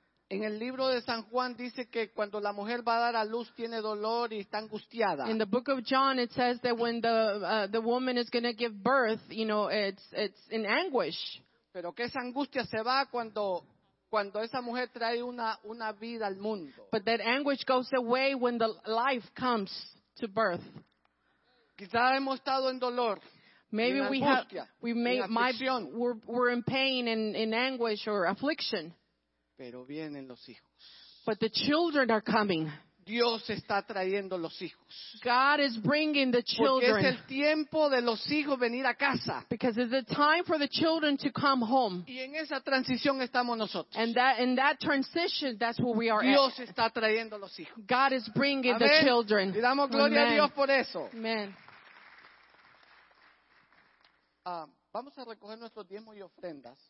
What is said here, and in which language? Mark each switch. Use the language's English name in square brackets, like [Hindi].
[Spanish] En el libro de San Juan dice que cuando la mujer va a dar a luz tiene dolor y está angustiada. [English] In the book of John it says that when the woman is going to give birth, you know, it's in anguish. [Spanish] Pero que esa angustia se va cuando esa mujer trae una vida al mundo. [English] But that anguish goes away when the life comes to birth. [Spanish] Quizá hemos estado en dolor. [English] Maybe [Spanish] en angustia, [English] we're in pain and in anguish or affliction. [Spanish] Pero vienen los hijos. [English] But the children are coming. [Spanish] Dios está trayendo los hijos. [English] God is bringing the children. [Spanish] Porque es el tiempo de los hijos venir a casa. [English] Because it's the time for the children to come home. [Spanish] Y en esa transición estamos nosotros. [English] And that in that transition, that's where we are. [Spanish] Dios está trayendo los hijos. [English] God is bringing the children. [Spanish] Y damos gloria a Dios por eso. [English] Amen. [Spanish] Vamos a recoger nuestros diezmos y ofrendas.